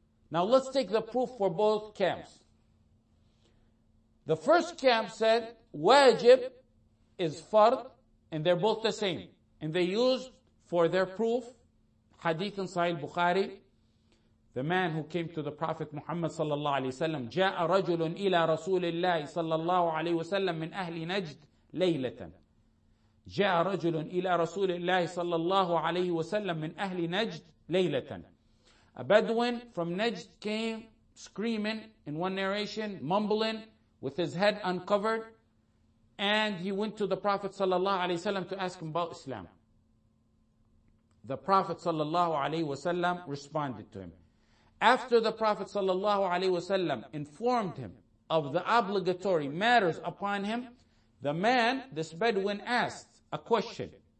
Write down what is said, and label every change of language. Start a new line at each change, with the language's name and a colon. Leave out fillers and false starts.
English: Now let's take the proof for both camps. The first camp said wajib is fard, and they're both the same. And they used for their proof hadith in Sahih Bukhari, the man who came to the Prophet Muhammad sallallahu alaihi wasallam,
Arabic: جَاءَ رَجُلٌ إِلَى رَسُولِ اللَّهِ صَلَّى اللَّهُ عَلَيْهِ وَسَلَّمْ مِنْ أَهْلِ نَجْدْ لَيْلَةً. جاء رجل إلى رسول الله صلى الله عليه وسلم من أهل نجد ليلة.
English: A Bedouin from Najd came screaming in one narration, mumbling with his head uncovered, and he went to the Prophet صلى الله عليه وسلم to ask him about Islam. The Prophet صلى الله عليه وسلم responded to him. After the Prophet صلى الله عليه وسلم informed him of the obligatory matters upon him, the man, this Bedouin, asked a question.